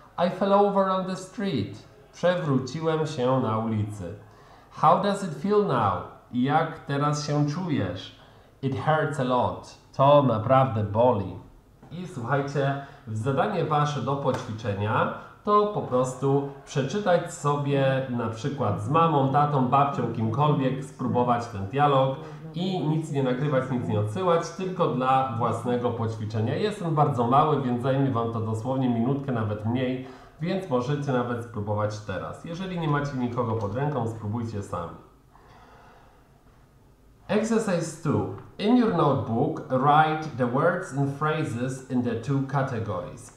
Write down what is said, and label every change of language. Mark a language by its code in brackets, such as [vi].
[en] I fell over on the street. [pl] Przewróciłem się na ulicy. [en] How does it feel now? [pl] Jak teraz się czujesz? [en] It hurts a lot. [pl] To naprawdę boli. I słuchajcie, zadanie wasze do poćwiczenia to po prostu przeczytać sobie na przykład z mamą, tatą, babcią, kimkolwiek, spróbować ten dialog i nic nie nagrywać, nic nie odsyłać, tylko dla własnego poćwiczenia. Jestem bardzo mały, więc zajmie wam to dosłownie minutkę, nawet mniej. Więc możecie nawet spróbować teraz. Jeżeli nie macie nikogo pod ręką, spróbujcie sami. [en] Exercise 2. In your notebook, write the words and phrases in the two categories.